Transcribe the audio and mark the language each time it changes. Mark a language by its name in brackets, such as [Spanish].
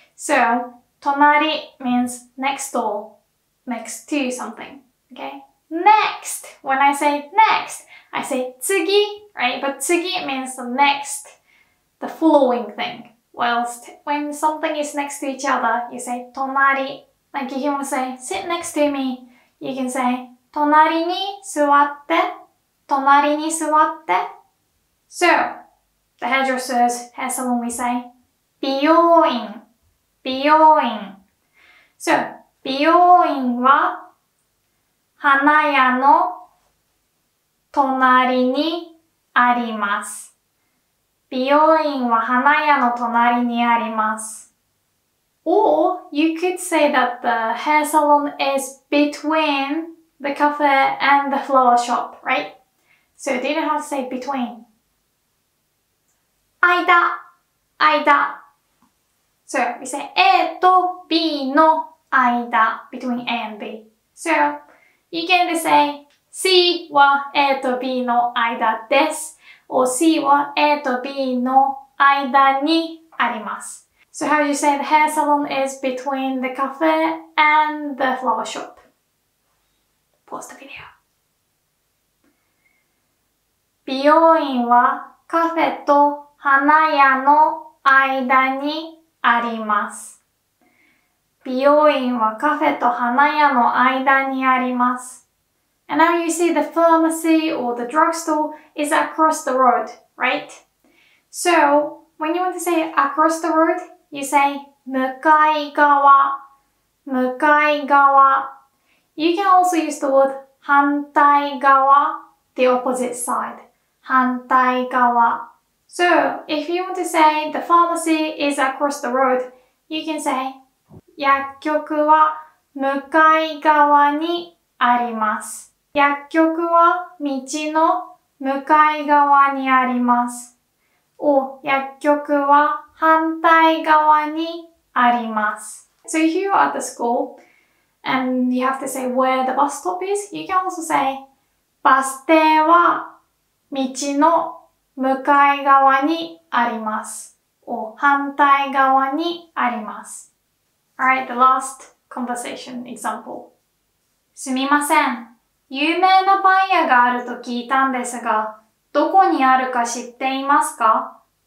[English] So, 隣 means next door, next to something. Okay? Next! When I say next,I say 次, right? But 次 means the next, the following thing. Whilst when something is next to each other, you say 隣. Like if you want to say, sit next to me, you can say [Japanese] 隣に座って隣に座って [English] So, the hairdresser's hair salon, we say 美容院美容院 So, [Japanese] 美容院は花屋の隣にあります。美容院は花屋の隣にあります。 [English] Or you could say that the hair salon is between the cafe and the flower shop, right? So you didn't have to say between. [Japanese] 間、間。 [English] So we say [Japanese] A と B の間、 [English] between A and B. So you can say [Japanese] C は A と B の間です。 Or C は A と B の間にあります。 [English] So how do you say the hair salon is between the cafe and the flower shop? Pause the video. [Japanese] 美容院はカフェと花屋の間にあります。美容院はカフェと花屋の間にあります。 [English] And now you see the pharmacy or the drugstore is across the road, right? So, when you want to say across the road, you say 向かい側、 [Japanese] 向かい側。 [English] You can also use the word 反対側、the opposite side. [Japanese] 反対側。 [English] So, if you want to say the pharmacy is across the road, you can say [Japanese] 薬局は向かい側にあります。薬局は道の向かい側にあります。お、薬局は反対側にあります。 [English] So if you are at the school and you have to say where the bus stop is, you can also say [Japanese] バス停は道の向かい側にあります。お、反対側にあります。 [English] Alright, the last conversation example. [Japanese] すみません。有名なパン屋があると聞いたんですが、どこにあるか知っていますか？